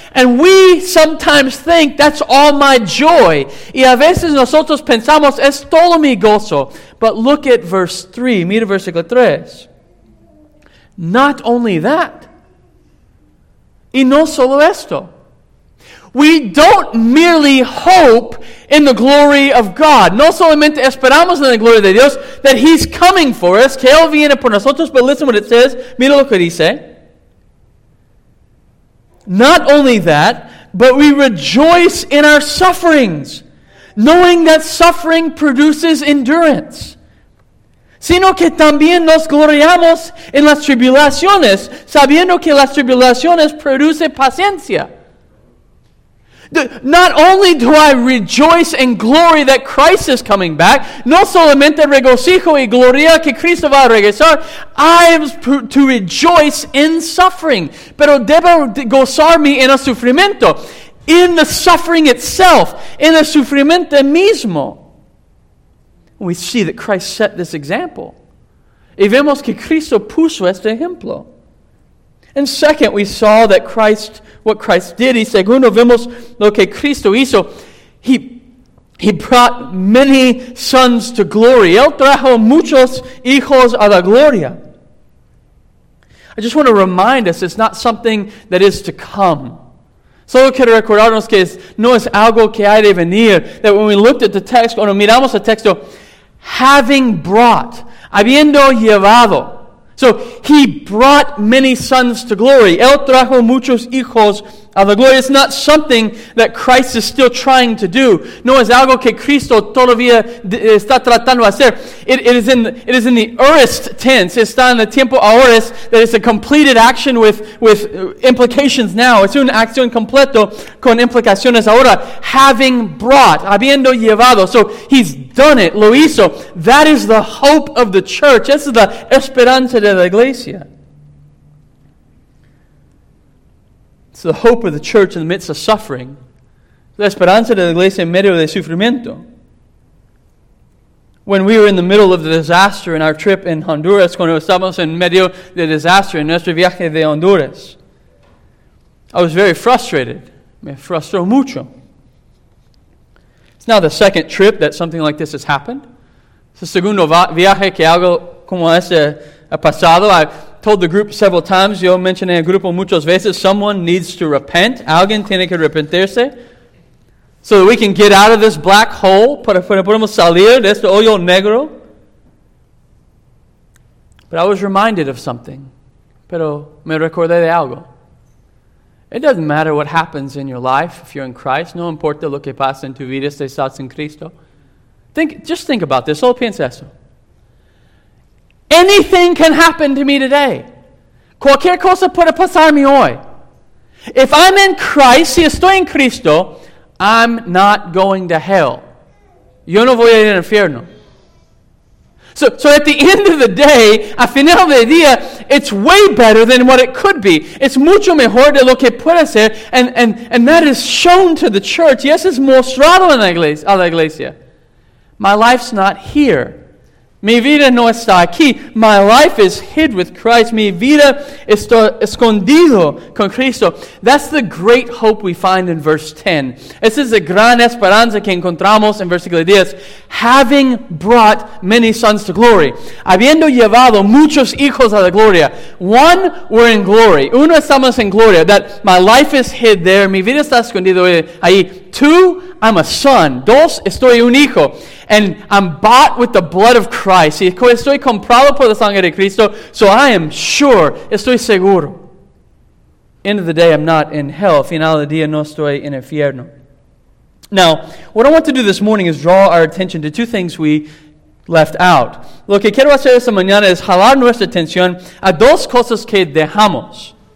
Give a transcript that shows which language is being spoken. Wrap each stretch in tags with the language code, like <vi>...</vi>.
<en>And we sometimes think that's all my joy.</en> <es>Y a veces nosotros pensamos, es todo mi gozo.</es> <en>But look at verse 3.</en> <es>Mira versículo 3.</es> <en>Not only that.</en> <es>Y no solo esto.</es> <en>We don't merely hope in the glory of God.</en> <es>No solamente esperamos en la gloria de Dios,</es> <en>that he's coming for us.</en> <es>Que él viene por nosotros.</es> <en>But listen what it says.</en> <es>Mira lo que dice.</es> <en>Not only that, but we rejoice in our sufferings, knowing that suffering produces endurance.</en> <es>Sino que también nos gloriamos en las tribulaciones, sabiendo que las tribulaciones producen paciencia.</es> <en>Not only do I rejoice and glory that Christ is coming back,</en> <es>no solamente regocijo y gloria que Cristo va a regresar,</es> <en>I am to rejoice in suffering,</en> <es>pero debo gozarme en el sufrimiento,</es> <en>in the suffering itself, in</en> <es>el sufrimiento mismo.</es> <en>We see that Christ set this example.</en> <es>Y vemos que Cristo puso este ejemplo.</es> <en>And second, we saw that Christ, what Christ did.</en> <es>Y segundo, vemos lo que Cristo hizo.</es> <en>He brought many sons to glory.</en> <es>Él trajo muchos hijos a la gloria.</es> <en>I just want to remind us, it's not something that is to come.</en> <es>Solo quiero recordarnos que no es algo que hay de venir.</es> <en>That when we looked at the text,</en> <es>cuando miramos el texto,</es> <en>having brought,</en> <es>habiendo llevado.</es> <en>So, he brought many sons to glory.</en> <es>Él trajo muchos hijos a la gloria.</es> <en>It's not something that Christ is still trying to do.</en> <es>No es algo que Cristo todavía está tratando de hacer.</es> <en>It is in the aorist tense.</en> <es>Está en el tiempo aorist.</es> <en>That is a completed action with implications now.</en> <es>Es una acción completo con implicaciones ahora.</es> <en>Having brought,</en> <es>habiendo llevado.</es> <en>So, he's done it,</en> <es>lo hizo.</es> <en>That is the hope of the church. This is the</en> <es>esperanza de la iglesia.</es> <en>It's the hope of the church in the midst of suffering.</en> <es>La esperanza de la iglesia en medio de sufrimiento.</es> <en>When we were in the middle of the disaster in our trip in Honduras,</en> <es>cuando estábamos en medio de disaster en nuestro viaje de Honduras,</es> <en>I was very frustrated.</en> <es>Me frustró mucho.</es> <en>Now the second trip that something like this has happened.</en> <es>Es el segundo viaje que algo como este ha pasado.</es> <en>I told the group several times,</en> <es>yo mencioné al grupo muchas veces,</es> <en>someone needs to repent.</en> <es>Alguien tiene que arrepentirse.</es> <en>So that we can get out of this black hole,</en> <es>para que podamos salir de este hoyo negro.</es> <en>But I was reminded of something.</en> <es>Pero me recordé de algo.</es> <en>It doesn't matter what happens in your life if you're in Christ.</en> <es>No importa lo que pasa en tu vida si estás en Cristo.</es> <en>Just think about this.</en> <es>Solo piensa eso.</es> <en>Anything can happen to me today.</en> <es>Cualquier cosa puede pasarme hoy.</es> <en>If I'm in Christ,</en> <es>si estoy en Cristo,</es> <en>I'm not going to hell.</en> <es>Yo no voy a ir al infierno.</es> <en>So at the end of the day,</en> <es>al final del día,</es> <en>it's way better than what it could be. It's</en> <es>mucho mejor de lo que puede ser,</es> <en>and that is shown to the church. Yes, it's</en> <es>mostrado en la iglesia.</es> <en>My life's not here.</en> <es>Mi vida no está aquí.</es> <en>My life is hid with Christ.</en> <es>Mi vida está escondido con Cristo.</es> <en>That's the great hope we find in verse 10.</en> <es>Esa es la gran esperanza que encontramos en versículo 10.</es> <en>Having brought many sons to glory.</en> <es>Habiendo llevado muchos hijos a la gloria.</es> <en>One, we're in glory.</en> <es>Uno, estamos en gloria.</es> <en>That my life is hid there.</en> <es>Mi vida está escondido ahí.</es> <en>Two, I'm a son.</en> <es>Dos, estoy un hijo.</es> <en>And I'm bought with the blood of Christ.</en> <es>Estoy comprado por la sangre de Cristo.</es> <en>So I am sure.</en> <es>Estoy seguro.</es> <en>End of the day, I'm not in hell. Final del día, no estoy en infierno. Now, what I want to do this morning is draw our attention to two things we left out.</en> <es>Lo que quiero hacer esta mañana es jalar nuestra atención a dos cosas que dejamos.</es>